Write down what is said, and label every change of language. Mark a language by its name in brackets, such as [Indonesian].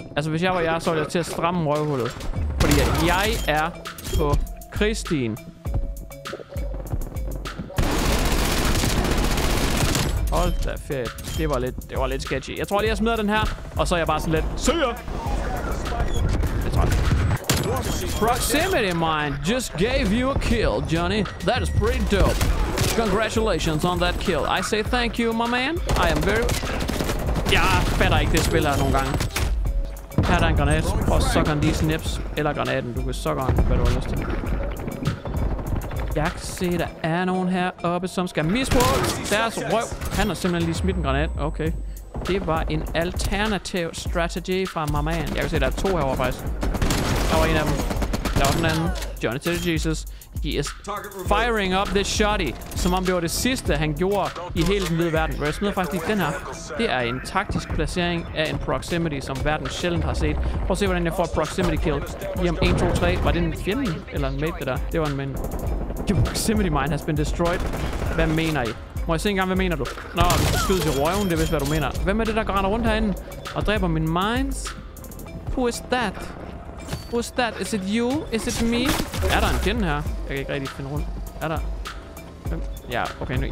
[Danish] Altså, hvis jeg var jer, så ville jeg til at stramme røvhullet. Fordi jeg er på Christine. Hold da fedt. Det var lidt sketchy. Jeg tror lige, jeg smider den her, og så er jeg bare sådan lidt... Se jer! [English] Proximity mine just gave you a kill, Johnny. That is pretty dope. Congratulations on that kill. I say thank you, my man. I am very... [Danish] Jeg fatter ikke det spil her nogle gange. Her er der en granat. Prøv at sukke en de snips. Eller granaten. Du kan sukke en, hvad du har lyst til. Jeg kan se, der er nogen heroppe, som skal misbruge deres røv. Han har simpelthen lige smidt en granat. Okay. Det var en alternativ strategy fra [English] my man. [Danish] Jeg kan se, der er to herovre faktisk. Der var en af dem. Der var den anden. Johnny Teddy Jesus. [English] He is firing up this shotty. [Danish] Som om det var det sidste, han gjorde i hele den hvide verden. Jeg smider faktisk lige den her. Det er en taktisk placering af en proximity, som verden sjældent har set. Prøv at se, hvordan jeg får et proximity kill. Jamen 1, 2, 3. Var det en fjende? Eller en mate, det der? Det var en mate. [English] Your proximity mine has been destroyed. [Danish] Hvad mener I? Må jeg se engang, hvad mener du? Nå, vi skal skyde til røven. Det er vist, hvad du mener. Hvem er det, der render rundt herinde og dræber mine mines? [English] Who is that? Who's that? Is it you? Is it me? [Danish] Er der en fjende her? Jeg kan ikke rigtig finde rundt. Er der? Ja, okay.